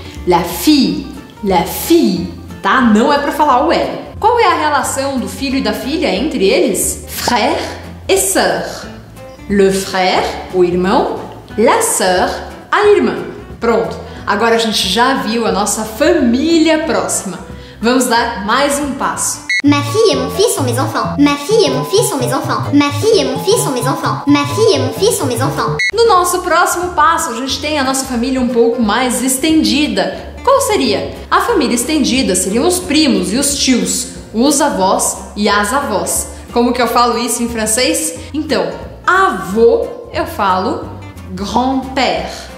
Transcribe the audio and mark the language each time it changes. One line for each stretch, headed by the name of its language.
Portuguese: La fille, tá? Não é pra falar o L. Qual é a relação do filho e da filha entre eles? Frère et sœur. Le frère, o irmão, la sœur, a irmã. Pronto, agora a gente já viu a nossa família próxima. Vamos dar mais um passo.
French: Ma fille et mon fils sont mes enfants. Ma fille et mon fils sont mes enfants. Ma fille et mon fils sont mes enfants. Ma fille et mon fils sont mes enfants.
Portuguese: No nosso próximo passo, a gente tem a nossa família um pouco mais estendida. Qual seria? A família estendida seriam os primos e os tios, os avós e as avós. Como que eu falo isso em francês? Então, avô eu falo grand-père.